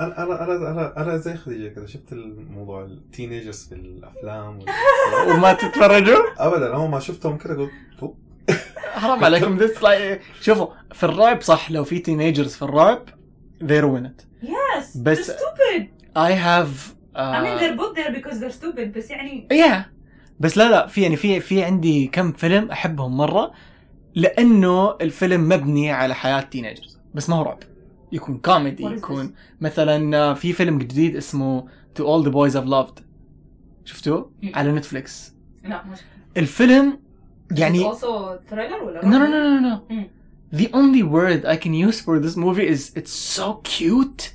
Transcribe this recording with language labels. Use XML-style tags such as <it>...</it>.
<ar>أنا أنا أنا أنا زي خديجة كذا شفت الموضوع التينيجرز في الأفلام وما تتفرجوا؟ أبداً أول ما شفتهم كذا قلت حرام عليكم</ar> <en>this like</en> <ar>شوفوا في الرعب صح لو في تينيجرز في الرعب</ar> <en>they ruin it. Yes. بس stupid. I have. I mean they're both there because they're stupid</en> <ar>بس يعني.</ar> <en>Yeah.</en> <ar>بس لا في يعني في عندي كم فيلم أحبهم مرة لأنه الفيلم مبني على حياة تينيجرز. بس ما هو رعب يكون كوميدي يكون</ar> <en>this?</en> <ar>مثلا في فيلم جديد اسمه To All The Boys I've Loved شفتوه على نتفليكس لا مش الفيلم يعني</ar> <en>also thriller ولا no no no no, no. The only word I can use for this movie is it's so cute</en>